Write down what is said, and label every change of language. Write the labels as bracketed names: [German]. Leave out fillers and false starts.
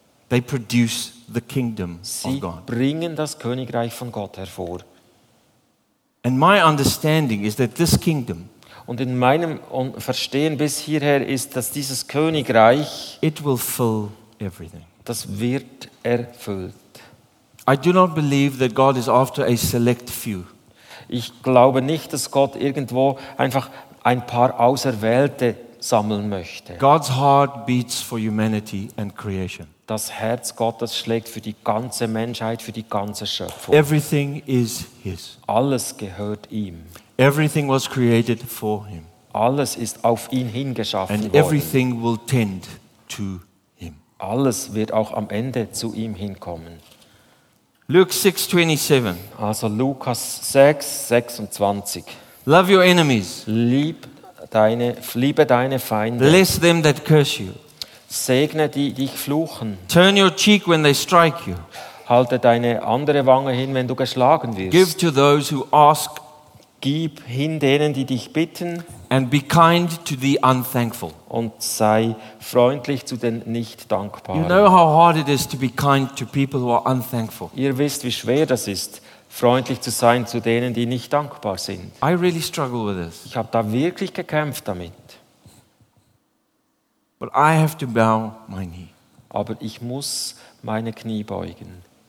[English] They produce the kingdom [German] sie [English] of God. [German] Bringen das Königreich von Gott hervor. [English] And my understanding is that this kingdom, [German] und in meinem Verstehen bis hierher ist, dass dieses Königreich, [English] it will fill everything. [German] Das wird erfüllt. [English] I do not believe that God is after a select few. [German] Ich glaube nicht, dass Gott irgendwo einfach ein paar Auserwählte sammeln möchte. [English] God's heart beats for humanity and creation. [German] Das Herz Gottes schlägt für die ganze Menschheit, für die ganze Schöpfung. [English] Everything is his. [German] Alles gehört ihm. [English] Everything was created for him. [German] Alles ist auf ihn hingeschaffen [English] and [German] worden. [English] Everything will tend to him. [German] Alles wird auch am Ende zu ihm hinkommen. [English] Luke 6:27. [German] Also Lukas 6, 26. [English] Love your enemies. [German] Liebe deine Feinde. [English] Bless them that curse you. [German] Segne die dich fluchen. [English] Turn your cheek when they strike you. [German] Halte deine andere Wange hin, wenn du geschlagen wirst. [English] Give to those who ask. [German] Gib hin denen, die dich bitten. [English] And be kind to the unthankful. [German] Und sei freundlich zu den nicht dankbaren. [English] You know how hard it is to be kind to people who are unthankful. [German] Ihr wisst, wie schwer das ist, freundlich zu sein zu denen, die nicht dankbar sind. [English] I really struggle with this. [German] Ich habe da wirklich gekämpft damit. [English] But I have to bow my knee. [German] Aber ich muss meine Knie beugen.